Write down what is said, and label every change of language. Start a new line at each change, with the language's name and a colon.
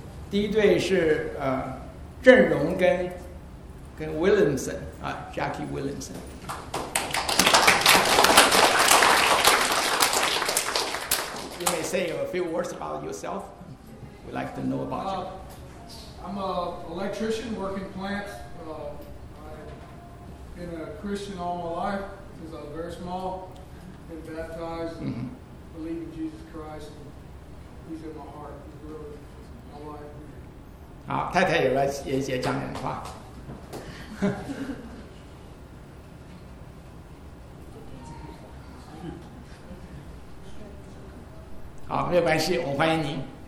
Chinese: 第一对是郑荣跟 Williamson, Jackie Williamson.
English: You may say a few words about yourself. We'd like to know about you. I'm an electrician working plants. I've been a Christian all my life since I was very small. Been baptized and believe in Jesus Christ. And he's in my heart. He's really my life.
Chinese: 好，太太也来也也讲点话。好，没有关系，我欢迎您。